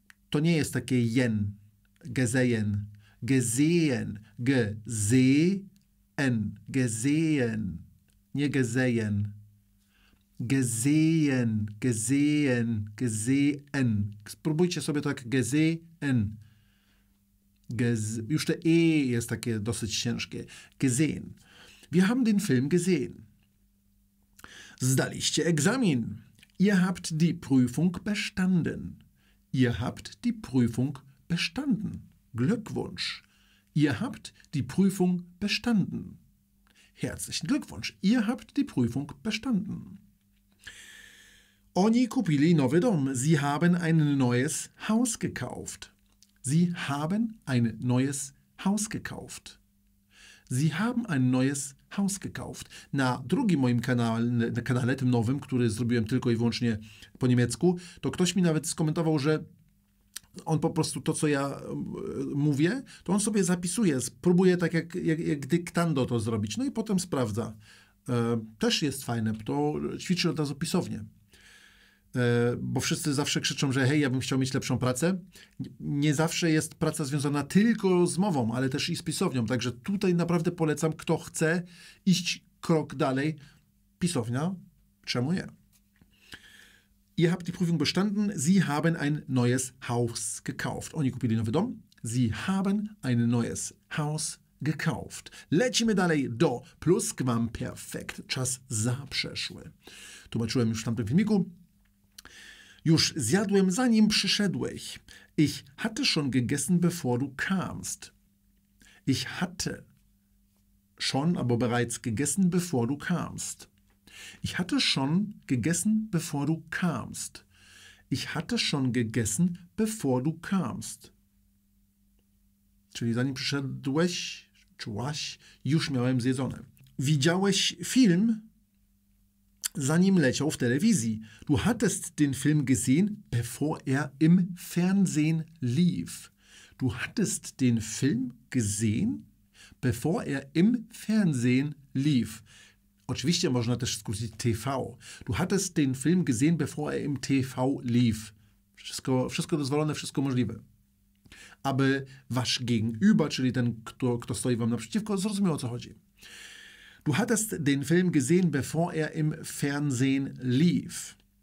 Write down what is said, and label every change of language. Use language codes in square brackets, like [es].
[pl] To nie jest takie jen, [de] gesehen, gesehen, gesehen, gesehen, nie gesehen. Gesehen, gesehen, gesehen. [pl] Spróbujcie sobie tak gesehen. Już te E jest takie dosyć ciężkie. [de] Gesehen. Wir haben den Film gesehen. [pl] Zdaliście egzamin. [de] Ihr habt die Prüfung bestanden. Ihr habt die Prüfung bestanden. Glückwunsch. Ihr habt die Prüfung bestanden. Herzlichen Glückwunsch. Ihr habt die Prüfung bestanden. [pl] Oni kupili nowy dom. [de] Sie haben ein neues Haus gekauft. Sie haben ein neues Haus gekauft. Sie haben ein neues Haus gekauft. [pl] Na drugim moim kanale, tym nowym, który zrobiłem tylko i wyłącznie po niemiecku, to ktoś mi nawet skomentował, że on po prostu to, co ja mówię, to on sobie zapisuje, próbuje tak jak dyktando to zrobić, no i potem sprawdza. Też jest fajne, to ćwiczy od razu pisownie. Bo wszyscy zawsze krzyczą, że hej, ja bym chciał mieć lepszą pracę. Nie zawsze jest praca związana tylko z mową, ale też i z pisownią. Także tutaj naprawdę polecam, kto chce iść krok dalej, pisownia, czemu nie? [de] Ihr habt die Prüfung bestanden, Sie haben ein neues Haus gekauft. [pl] Oni kupili nowy dom. [de] Sie haben ein neues Haus gekauft. [pl] Lecimy dalej do Pluskwamperfekt. Czas zaprzeszły. Tłumaczyłem już w tamtym filmiku. Już zjadłem, zanim przyszedłeś. [de] Ich hatte schon gegessen, bevor du kamst. Ich hatte schon, aber bereits gegessen, bevor du kamst. Ich hatte schon gegessen, bevor du kamst. Ich hatte schon gegessen, bevor du kamst. [pl] Czyli zanim przyszedłeś, czułaś, już miałem zjedzone. Widziałeś film? Zanim leciał w telewizji. [de] Du hattest den Film gesehen, bevor im Fernsehen lief. Du hattest den Film gesehen, bevor im Fernsehen lief. [pl] Oczywiście można też skrócić TV. [de] Du hattest den Film gesehen, bevor im TV lief. [pl] Wszystko dozwolone, wszystko możliwe. Aby wasz gegenüber, czyli ten, kto stoi wam naprzeciwko, zrozumiał, o co chodzi. [de] Du hattest den Film gesehen, bevor im Fernsehen lief.